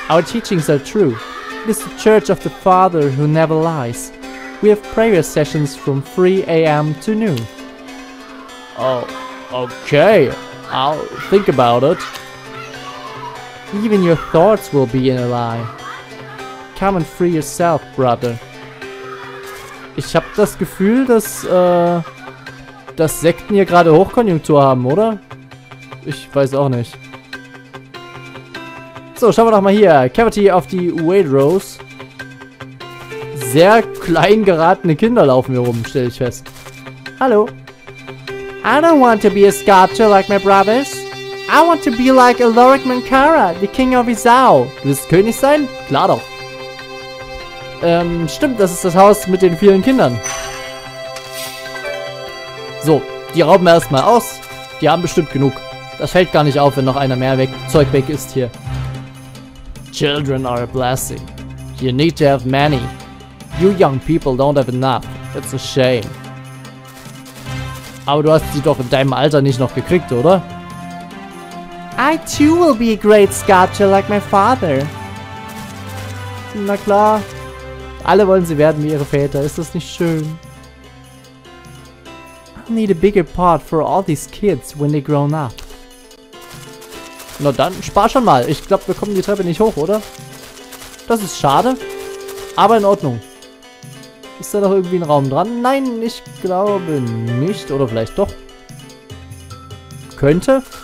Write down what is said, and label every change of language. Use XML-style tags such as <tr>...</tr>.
<en>Our teachings are true. It is the church of the Father who never lies. We have prayer sessions from 3 a.m. to noon. Oh, okay. I'll think about it. Even your thoughts will be in a lie. Come and free yourself, brother.</en> <de>Ich hab das Gefühl, dass Sekten hier gerade Hochkonjunktur haben, oder? Ich weiß auch nicht. So, schauen wir doch mal hier. Cavity of the Wade Rose. Sehr klein geratene Kinder laufen hier rum, stelle ich fest. Hallo.</de> <en>I don't want to be a sculptor like my brothers. I want to be like Alaric Mankara, the King of Isao.</en> <de>Willst du König sein? Klar doch. Stimmt, das ist das Haus mit den vielen Kindern. So, die rauben erstmal aus. Die haben bestimmt genug. Das fällt gar nicht auf, wenn noch einer mehr weg, Zeug weg ist hier.</de> <en>Children are a blessing. You need to have many. You young people don't have enough. It's a shame.</en> <de>Aber du hast sie doch in deinem Alter nicht noch gekriegt, oder?</de> <en>I too will be a great sculptor like my father.</en> <de>Na klar. Alle wollen sie werden wie ihre Väter. Ist das nicht schön?</de> <en>I need a bigger pot for all these kids when they grown up.</en> <de>Na dann, spar schon mal. Ich glaube, wir kommen die Treppe nicht hoch, oder? Das ist schade. Aber in Ordnung. Ist da noch irgendwie ein Raum dran? Nein, ich glaube nicht. Oder vielleicht doch. Könnte.</de>